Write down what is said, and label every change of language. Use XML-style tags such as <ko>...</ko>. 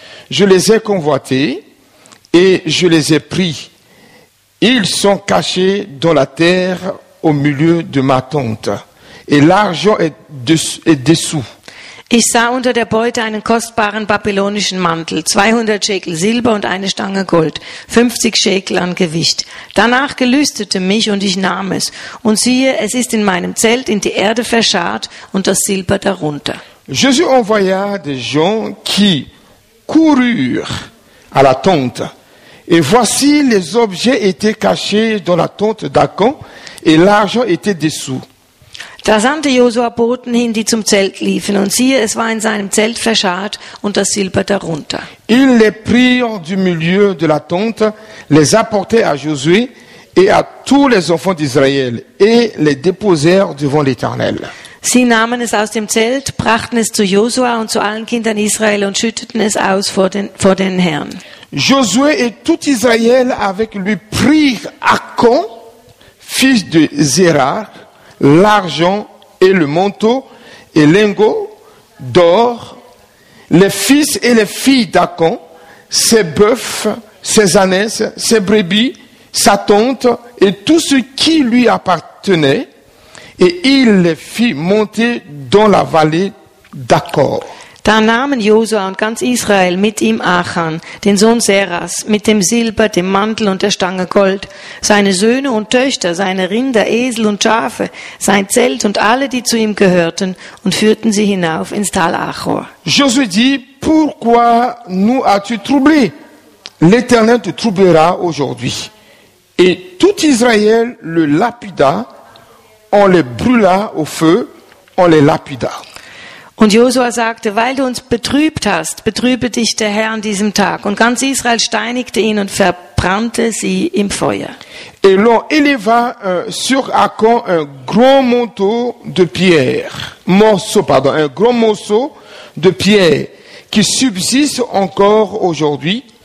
<fr>Je les ai convoités et je les ai pris. Ils sont cachés dans la terre au milieu de ma tente. Et l'argent est dessous.</fr> <de>Ich sah unter der Beute einen kostbaren babylonischen Mantel, 200 Schekel Silber und eine Stange Gold, 50 Schekel an Gewicht. Danach gelüstete mich und ich nahm es. Und siehe, es ist in meinem Zelt in die Erde verscharrt und das Silber darunter.</de> <fr>Jésus envoya des gens qui coururent à la tente. Et voici, les objets étaient cachés dans la tente d'Achan et l'argent était dessous.</fr> <de>Da sandte Josua Boten hin, die zum Zelt liefen, und siehe, es war in seinem Zelt verscharrt und das Silber darunter.</de> <fr>Ils les prirent du milieu de la tente, les apportèrent à Josué et à tous les enfants d'Israël et les déposèrent devant l'Éternel.</fr> <de>Sie nahmen es aus dem Zelt, brachten es zu Josua und zu allen Kindern Israel und schütteten es aus vor den Herrn.</de> <fr>Josué et tout Israël avec lui prirent Achan, fils de Zerah, l'argent et le manteau et lingot d'or, les fils et les filles d'Achan, ses bœufs, ses ânesses, ses brebis, sa tente et tout ce qui lui appartenait, et il les fit monter dans la vallée d'Achor.</fr> <de>Da nahmen Josua und ganz Israel mit ihm Achan, den Sohn Seras, mit dem Silber, dem Mantel und der Stange Gold, seine Söhne und Töchter, seine Rinder, Esel und Schafe, sein Zelt und alle, die zu ihm gehörten, und führten sie hinauf ins Tal Achor.</de> <fr>Josué dit, pourquoi nous as-tu troublé? L'Éternel te troublera aujourd'hui. Et tout Israël le lapida, on les brûla au feu, on les lapida.</fr> <de>Und Josua sagte, weil du uns betrübt hast, betrübe dich der Herr an diesem Tag. Und ganz Israel steinigte ihn und verbrannte sie im Feuer.</de> <fr>Et l'on éleva sur Achan un grand manteau de pierre, un grand morceau de pierre qui subsiste encore aujourd'hui.</fr>